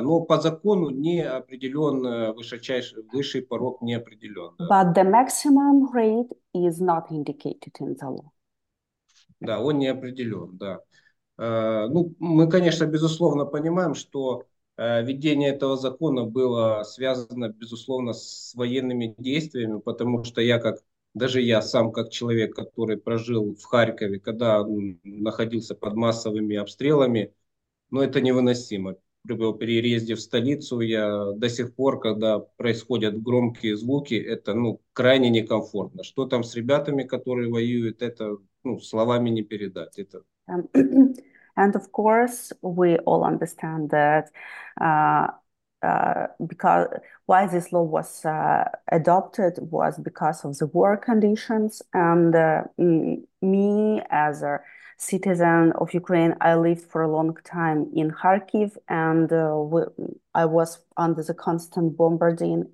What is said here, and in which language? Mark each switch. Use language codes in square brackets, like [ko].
[ru] Но по закону не определен высший порог не определен. [en] But the maximum rate is not indicated in the law. [ru] Да, он не определен, да. Ну, мы, конечно, безусловно, понимаем, что введение этого закона было связано, безусловно, с военными действиями, потому что я сам как человек, который прожил в Харькове, когда находился под массовыми обстрелами, но это невыносимо. при переезде в столицу, я до сих пор, когда происходят громкие звуки, это, ну, крайне некомфортно. Что там с ребятами, которые воюют, это, ну, словами не передать. Это... [en] And of course, we all understand that because why this law was adopted was because of the war conditions. And me, as a citizen of Ukraine, I lived for a long time in Kharkiv, and I was under the constant bombarding.